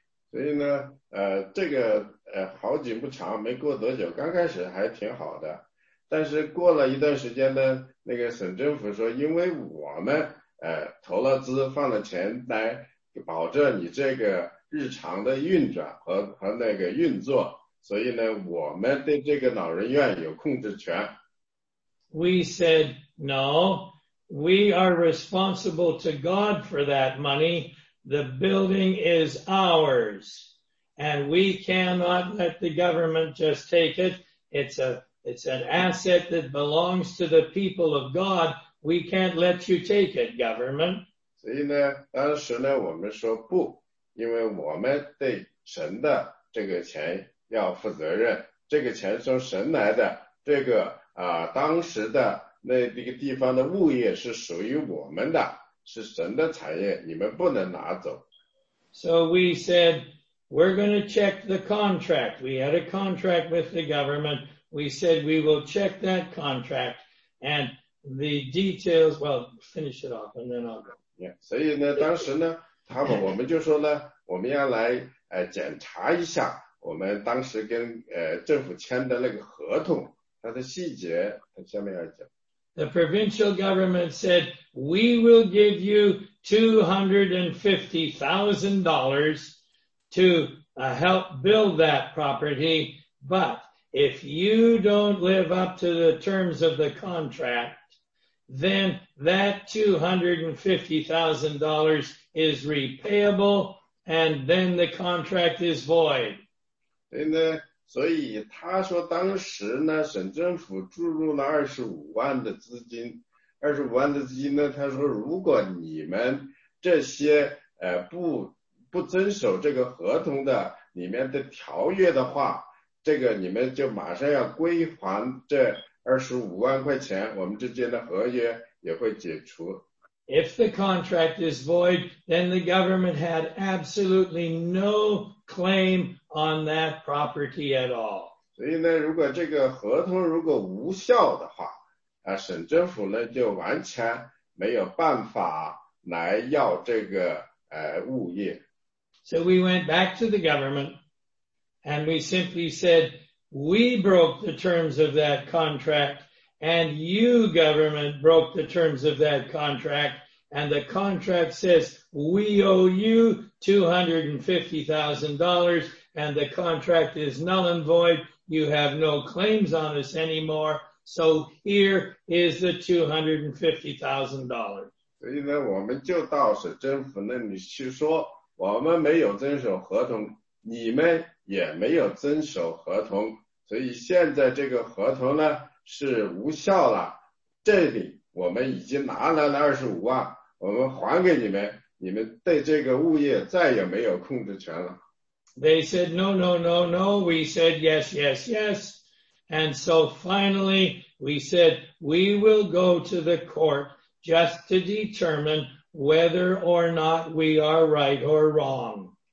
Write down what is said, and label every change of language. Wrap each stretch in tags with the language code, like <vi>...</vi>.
<zh>所以呢，这个好景不长，没过多久，刚开始还挺好的。但是过了一段时间呢，那个省政府说，因为我们投了资放了钱来保证你这个日常的运转和那个运作，所以呢，我们对这个老人院有控制权。</zh> <en>We said no, we are responsible to God for that money. The building is ours, and we cannot let the government just take it. It's an asset that belongs to the people of God. We can't let you take it, government.</en> <zh>所以呢，当时呢，我们说不，因为我们对神的这个钱要负责任。这个钱从神来的，这个当时的那个地方的物业是属于我们的，是神的产业，你们不能拿走。</zh> <en>So we said, we're going to check the contract. We had a contract with the government. We said we will check that contract, and the details, well, finish it off and then I'll go. Yeah,</en> <zh>所以呢当时呢他们我们就说呢我们要来检查一下我们当时跟政府签的那个合同它的细节它下面要讲。</zh> <en>The provincial government said, we will give you $250,000 to help build that property, but if you don't live up to the terms of the contract, then that $250,000 is repayable, and then the contract is void.</en> <zh>对呢所以他说当时呢省政府注入了25万的资金呢他说如果你们这些不遵守这个合同的里面的条约的话这个你们就马上要归还这25万块钱我们之间的合约也会解除。</zh> <en>If the contract is void, then the government had absolutely no claim on that property at all.</en> <zh>所以呢，如果这个合同如果无效的话，省政府呢就完全没有办法来要这个物业。</zh> <en>So we went back to the government, and we simply said, we broke the terms of that contract. And you, government, broke the terms of that contract, and the contract says, we owe you $250,000, and the contract is null and void, you have no claims on us anymore, so here is the $250,000.</en> <zh>所以呢，我们就到省政府那里去说，我们没有遵守合同，你们也没有遵守合同，所以现在这个合同呢，是无效了这里我们已经拿来了25万我们还给你们你们对这个物业再也没有控制权了。</zh> <en>They said, no, no, no, no, we said, yes, yes, yes. And so finally, we said, we will go to the court just to determine whether or not we are right or wrong.</en>